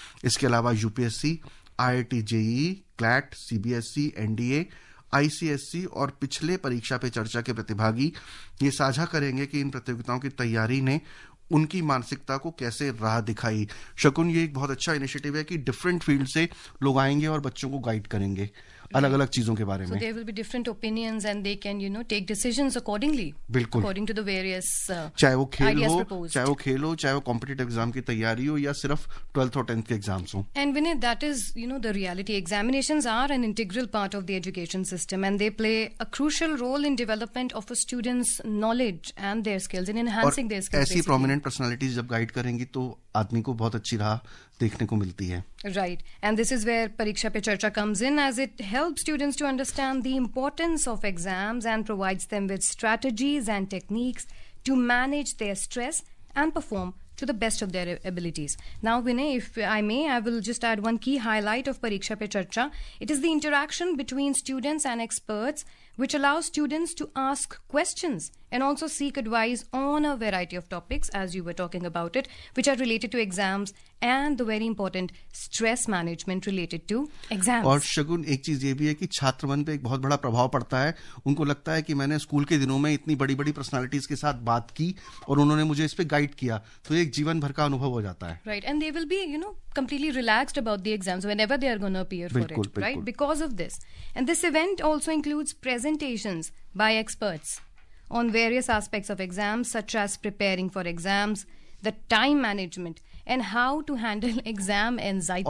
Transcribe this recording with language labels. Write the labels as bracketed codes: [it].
[hi] इसके अलावा UPSC, IIT JEE, CLAT, CBSE, NDA, ICSE और पिछले परीक्षा पे चर्चा के प्रतिभागी ये साझा करेंगे कि इन प्रतियोगिताओं की तैयारी ने उनकी मानसिकता को कैसे राह दिखाई। शकुन, ये एक बहुत अच्छा इनिशिएटिव है कि डिफरेंट फील्ड से लोग आएंगे और बच्चों को गाइड करेंगे अलग अलग चीजों के बारे में। [en] There will be different opinions and they can, you know, take decisions accordingly. [hi] बिल्कुल. [en] According to the various [hi] चाहे वो खेल हो, चाहे वो खेल हो, चाहे वो competitive exam की तैयारी हो या सिर्फ 12th or 10th के exams हो. [en] And Vinay, that is, you know, the reality. Examinations are an integral part of the education system and they play a crucial role in development of a student's knowledge and their skills in enhancing their skills. [hi] ऐसी [en] prominent personalities [hi] जब guide करेंगी तो आदमी को बहुत अच्छी राह देखने को मिलती है। [en] Right. And this is where Pariksha Pe Charcha comes in as it helps students to understand the importance of exams and provides them with strategies and techniques to manage their stress and perform to the best of their abilities. Now, Vinay, if I may, I will just add one key highlight of Pariksha Pe Charcha. It is the interaction between students and experts which allows students to ask questions and also seek advice on a variety of topics, as you were talking about it, which are related to exams and the very important stress management related to exams. [hi] और शगुन, एक चीज ये भी है कि छात्र मन पे एक बहुत बड़ा प्रभाव पड़ता है। उनको लगता है कि मैंने स्कूल के दिनों में इतनी बड़ी बड़ी पर्सनालिटीज के साथ बात की और उन्होंने मुझे इस पे गाइड किया, तो एक जीवन भर का अनुभव हो जाता है। [en] Right, and they will be, you know, completely relaxed about the exams whenever they are going to appear for it, right? Because of this. And this event also includes presentations by experts on various aspects of exams, such as preparing for exams, the time management, and how to handle exam anxiety.